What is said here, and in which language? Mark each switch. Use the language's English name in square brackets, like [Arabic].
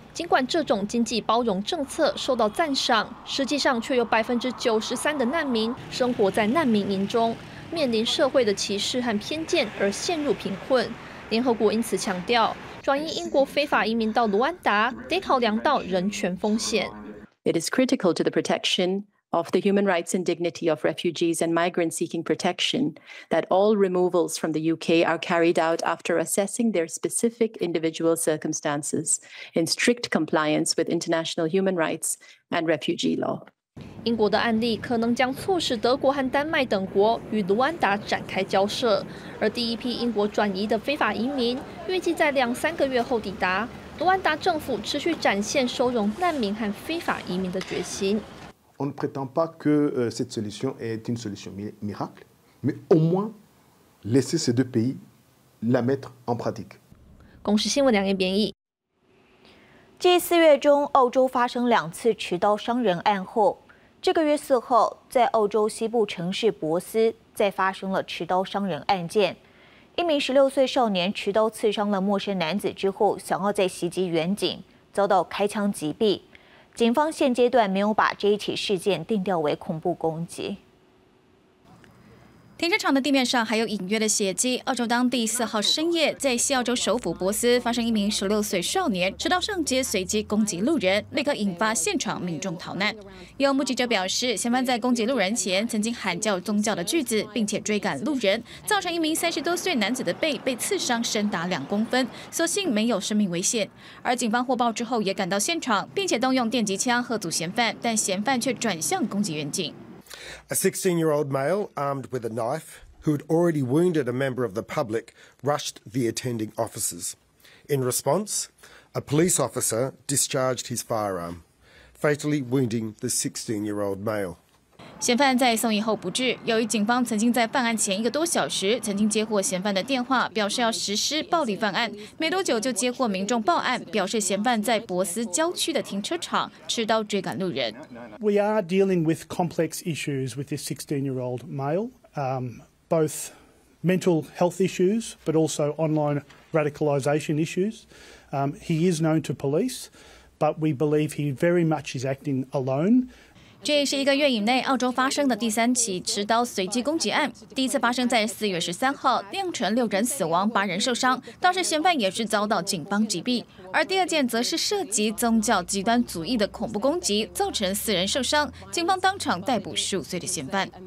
[Chinese] 尽管这种经济包容政策受到赞赏，实际上却有93%的难民生活在难民营中，面临社会的歧视和偏见而陷入贫困。联合国因此强调，转移英国非法移民到卢安达得考量到人权风险。 [English] It is critical to the protection of the human rights and dignity of refugees and migrants seeking protection that all removals from the UK are carried out after assessing their specific individual circumstances in strict compliance with international human rights and refugee law. [Chinese] 英国的案例可能将促使德国和丹麦等国与卢安达展开交涉，而第一批英国转移的非法移民预计在2-3个月后抵达。卢安达政府持续展现收容难民和非法移民的决心。 [French] On ne prétend pas que cette solution est une solution miracle, mais au moins laisser ces deux pays la mettre en pratique。 [Chinese] 公视新闻两页编译。继四月中澳洲发生2次持刀伤人案后，这个月4号在澳洲西部城市珀斯再发生了持刀伤人案件。一名16岁少年持刀刺伤了陌生男子之后，想要再袭击远景，遭到开枪击毙。警方现阶段没有把这一起事件定调为恐怖攻击。停车场的地面上还有隐约的血迹。澳洲当地4号深夜，在西澳洲首府珀斯发生一名16岁少年持刀上街，随即攻击路人，立刻引发现场民众逃难。有目击者表示，嫌犯在攻击路人前曾经喊叫宗教的句子，并且追赶路人，造成一名30多岁男子的背被刺伤，深达2公分，所幸没有生命危险。而警方获报之后也赶到现场，并且动用电击枪吓阻嫌犯，但嫌犯却转向攻击远景。 [English] A 16-year-old male armed with a knife who had already wounded a member of the public rushed the attending officers. In response, a police officer discharged his firearm, fatally wounding the 16-year-old male. [Chinese] 嫌犯在送医后不治。由于警方曾经在犯案前一个多小时曾经接获嫌犯的电话，表示要实施暴力犯案，没多久就接获民众报案，表示嫌犯在博斯郊区的停车场持刀追赶路人。 [English] We are dealing with complex issues with this 16-year-old male, both mental health issues, but also online radicalization issues. He is known to police, but we believe he very much is acting alone. [Chinese] 这是一个月以内澳洲发生的第三起持刀随机攻击案，第一次发生在4月13号，酿成6人死亡8人受伤，当时嫌犯也是遭到警方击毙。而第二件则是涉及宗教极端主义的恐怖攻击，造成4人受伤，警方当场逮捕15岁的嫌犯。